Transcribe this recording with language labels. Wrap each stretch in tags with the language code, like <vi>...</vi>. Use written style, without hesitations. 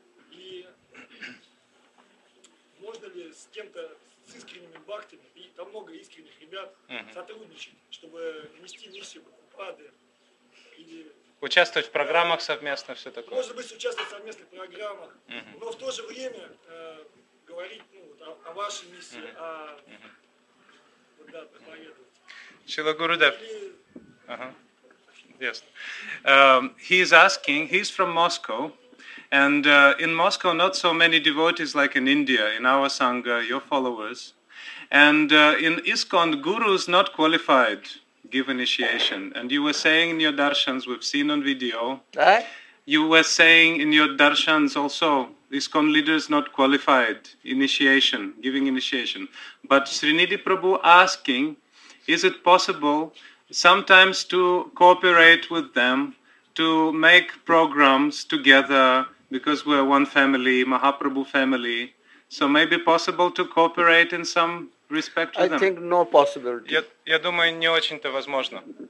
<ru>И можно ли с кем-то, с искренними бхактами, и там много искренних ребят, сотрудничать, чтобы нести миссию Прабхупады или Участвовать в программах совместно, все такое. Может быть, участвовать в совместных программах, но в то же время говорить о вашей миссии, о проповедовать. Шрила Гурудев.</ru> <en>Yes. He is asking, he's from Moscow, and in Moscow not so many devotees like in India, in our Sangha, your followers. And in ISKCON, gurus not qualified give initiation. And you were saying in your darshans, we've seen on video, you were saying in your darshans also, ISKCON leaders not qualified, initiation, giving initiation. But Srinidhi Prabhu asking, is it possible sometimes to cooperate with them, to make programs together, because we're one family, Mahaprabhu family, so maybe possible to cooperate in some respect to them? I think no possibility.</en> <ru>Я думаю, не очень-то возможно.</ru>